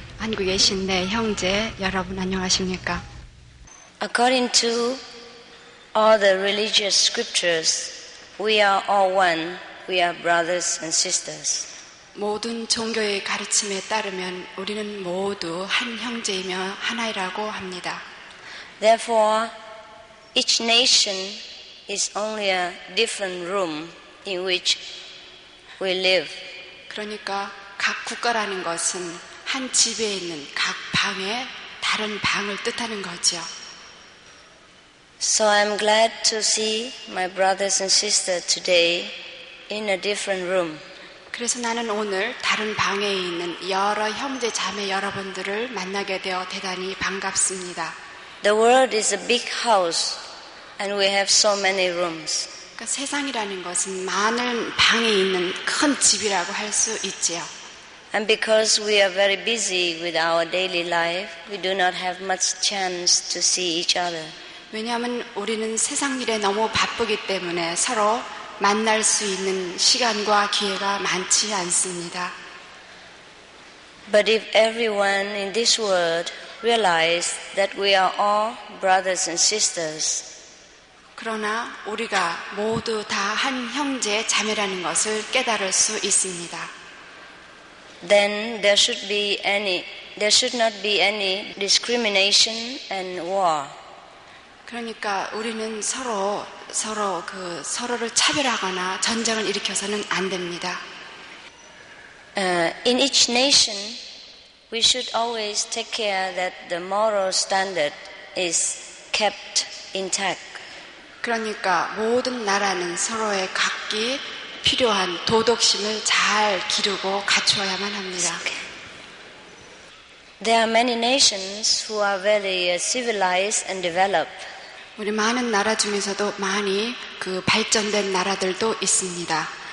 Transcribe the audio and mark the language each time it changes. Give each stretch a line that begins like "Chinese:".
Korean: 한국에 계신 내 형제 여러분 안녕하십니까?
English: According to all the religious scriptures, we are all one. We are brothers and sisters.
Korean: 모든 종교의 가르침에 따르면 우리는 모두 한 형제이며 하나이라고 합니다.
English: Therefore, each nation is only a different room. In which we live.
Korean: 그러니까 각 국가라는 것은 한 집에 있는 각 방에 다른 방을 뜻하는 거죠.
English: So I'm glad to see my brothers and sisters today in a different room.
Korean: 그래서 나는 오늘 다른 방에 있는 여러 형제 자매 여러분들을 만나게 되어 대단히 반갑습니다.
English: The world is a big house and we have so many rooms.
Korean: 그러니까 세상이라는 것은 많은 방에 있는 큰 집이라고 할 수 있지요.
English: And because we are very busy with our daily life, we do not have much chance to see each other.
Korean: 왜냐하면 우리는 세상 일에 너무 바쁘기 때문에 서로 만날 수 있는 시간과 기회가 많지 않습니다.
English: But if everyone in this world realized that we are all brothers and sisters,
Korean: 그러나 우리가 모두 다 한 형제 자매라는 것을 깨달을 수 있습니다.
English: Then there should be any there should not be any discrimination and war.
Korean: 그러니까 우리는 서로를 차별하거나 전쟁을 일으켜서는 안 됩니다.
English: In each nation, we should always take care that the moral standard is kept intact.
Korean: 그러니까 모든 나라는 서로의 각기 필요한 도덕심을 잘 기르고 갖추어야만 합니다.
English: There are many nations who are very civilized and developed.
Korean: 우리 많은 나라 중에서도 많이 그 발전된 나라들도 있습니다.